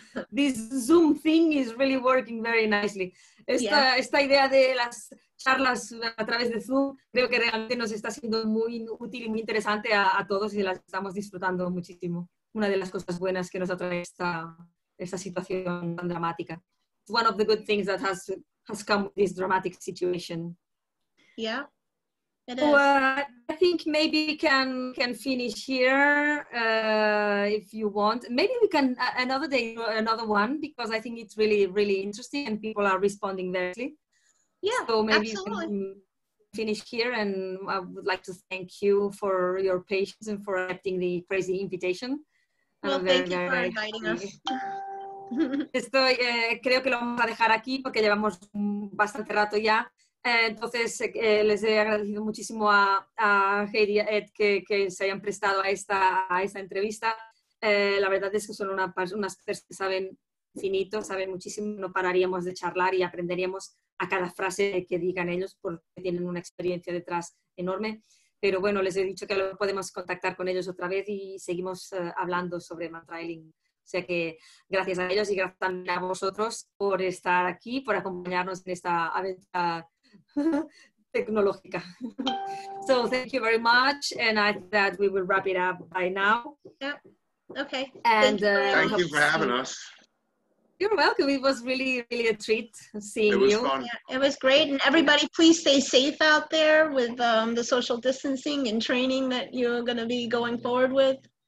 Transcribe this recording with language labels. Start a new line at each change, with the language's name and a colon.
English: This Zoom thing is really working very nicely.
Spanish: Esta idea de las charlas a través de Zoom, creo que realmente nos está siendo muy útil y muy interesante a todos y las estamos disfrutando muchísimo. Una de las cosas buenas que nos ha traído esta situación tan dramática.
English: One of the good things that has come with this dramatic situation. Yeah. I think maybe we can finish here if you want. Maybe we can another day, another one, because I think it's really, really interesting and people are responding very. Yeah, so maybe absolutely. We can finish here, and I would like to thank you for your patience and for accepting the crazy invitation. Well, thank you for inviting us.
Spanish: Estoy, creo que lo vamos a dejar aquí porque llevamos bastante rato ya. Entonces, les he agradecido muchísimo a Heidi y a Ed que se hayan prestado a esta entrevista. La verdad es que son unas personas que saben infinito, saben muchísimo, no pararíamos de charlar y aprenderíamos a cada frase que digan ellos porque tienen una experiencia detrás enorme. Pero bueno, les he dicho que lo podemos contactar con ellos otra vez y seguimos hablando sobre mantrailing. O sea que gracias a ellos y gracias también a vosotros por estar aquí, por acompañarnos en esta aventura tecnológica.
English: So thank you very much, and I think that we will wrap it up by now. Yeah. Okay. And thank you for having us. You're welcome. It was really, really a treat seeing it was you. Fun. Yeah, it was great. And everybody, please stay safe out there with the social distancing and training that you're going to be going forward with.